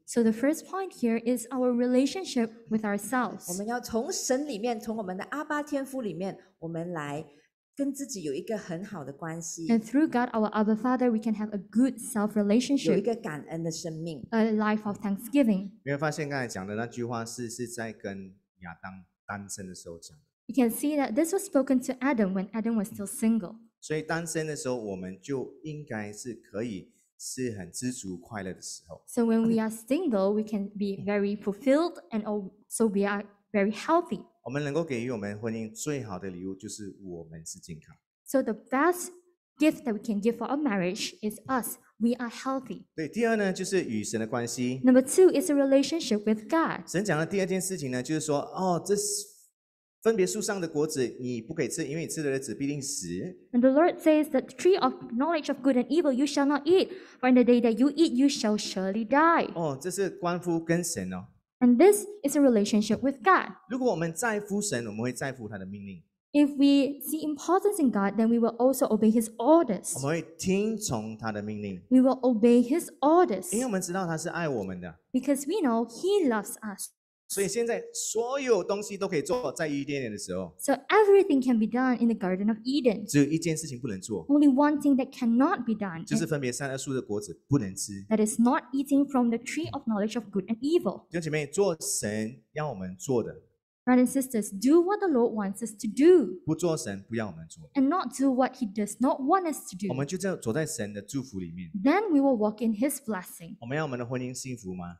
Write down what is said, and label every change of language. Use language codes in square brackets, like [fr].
[en] So the first point here is our relationship with ourselves. [zh] 我们要从神里面，从我们的阿爸天父里面，我们来跟自己有一个很好的关系。 [en] And through God, our Abba Father, we can have a good self-relationship. [zh] 有一个感恩的生命。 [en] A life of thanksgiving. [zh] 没有发现刚才讲的那句话是在跟亚当单身的时候讲的。 [en] You can see that this was spoken to Adam when Adam was still single. [zh] 所以单身的时候，我们就应该是可以。是很知足快乐的时候。 [en] So when we are single, we can be very fulfilled, and also we are very healthy. [zh] 我们能够给予我们婚姻最好的礼物就是我们是健康。 [en] So the best gift that we can give for our marriage is us. We are healthy. [zh] 对，第二呢，就是与神的关系。 [en] Number two is a relationship with God. [zh] 神讲的第二件事情呢，就是说，哦，这是。分别树上的果子你不可以吃，因为你吃的日子必定死。 [en] And the Lord says that the tree of knowledge of good and evil you shall not eat, for in the day that you eat you shall surely die. [zh] 哦，这是关乎跟神哦。 [en] And this is a relationship with God. [zh] 如果我们在乎神，我们会在乎他的命令。 [en] If we see importance in God, then we will also obey His orders. [zh] 我们会听从他的命令。 [en] We will obey His orders. [zh] 因为我们知道他是爱我们的。 [en] Because we know He loves us. [zh] 所以现在所有东西都可以做，在伊甸园的时候。 [en] So everything can be done in the Garden of Eden. [zh] 只有一件事情不能做。 [en] Only one thing that cannot be done. [zh] 就是分别善恶树的果子不能吃。 [en] That is not eating from the tree of knowledge of good and evil. [zh] 弟兄姐妹，做神要我们做的。 [en] Brothers and sisters, do what the Lord wants us to do. [zh] 不做神不要我们做。 [en] And not do what He does not want us to do. [zh] 我们就走在神的祝福里面。 [en] Then we will walk in His blessing. [zh] 我们要我们的婚姻幸福吗？